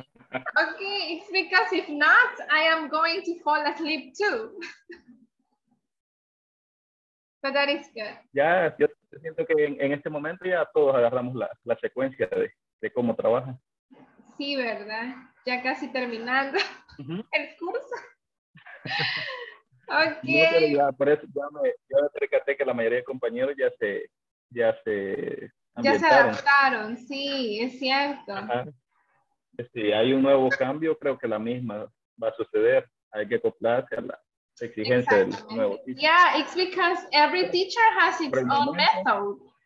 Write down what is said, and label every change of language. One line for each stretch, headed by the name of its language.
English: Okay, it's because if not, I am going to fall asleep too. But that is good.
Spanish: Ya, yo siento que en este momento ya todos agarramos la secuencia de cómo trabaja. Sí, verdad. Ya casi terminando el curso. Okay. Ya, por eso ya me percaté que la mayoría de compañeros ya se adaptaron, sí, es cierto. Ajá. Si hay un nuevo cambio, creo que la misma va a suceder. Hay que acoplarse a la exigencia del nuevo teacher.
English: Yeah, it's because every teacher has its own method.